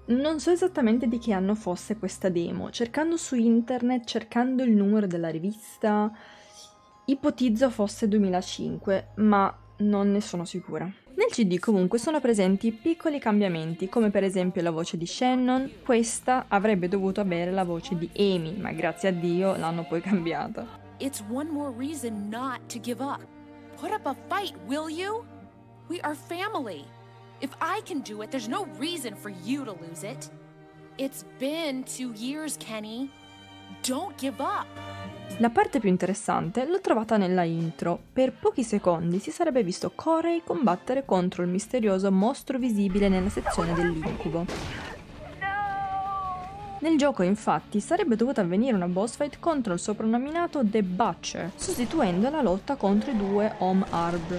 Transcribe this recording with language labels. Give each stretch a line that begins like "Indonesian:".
Italian: Non so esattamente di che anno fosse questa demo. Cercando su internet, cercando il numero della rivista, ipotizzo fosse 2005, ma non ne sono sicura. Nel CD comunque sono presenti piccoli cambiamenti, come per esempio la voce di Shannon. Questa avrebbe dovuto avere la voce di Amy, ma grazie a Dio l'hanno poi cambiata.
English: It's one more reason not to give up. Put up a fight, will you? We are family. If I can do it, there's no reason for you to lose it. It's been 2 years, Kenny. Don't give up.
Italian: La parte più interessante l'ho trovata nella intro. Per pochi secondi si sarebbe visto Corey combattere contro il misterioso mostro visibile nella sezione dell'incubo. Nel gioco, infatti, sarebbe dovuta avvenire una boss fight contro il soprannominato The Butcher, sostituendo la lotta contro i due Home Arb.